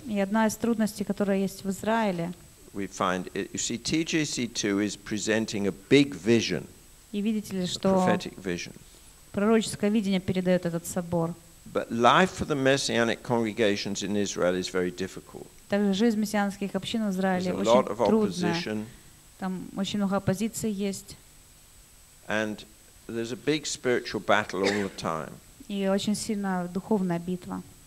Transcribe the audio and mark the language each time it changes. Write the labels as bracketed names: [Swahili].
[Russian] И одна из трудностей, которая есть в Израиле. [English] We find, you see, TGC 2 is presenting a big vision. [Russian] И видите ли, что [English] prophetic vision. [Russian] Пророческое видение передает этот собор. [English] But life for the messianic congregations in Israel is very difficult. [Russian] Также жизнь мессианских общин в Израиле очень [English] трудная. There's a lot of opposition. [Russian] Там очень много оппозиции есть. [English] And there's a big spiritual battle all the time. [Russian] И очень сильная духовная битва.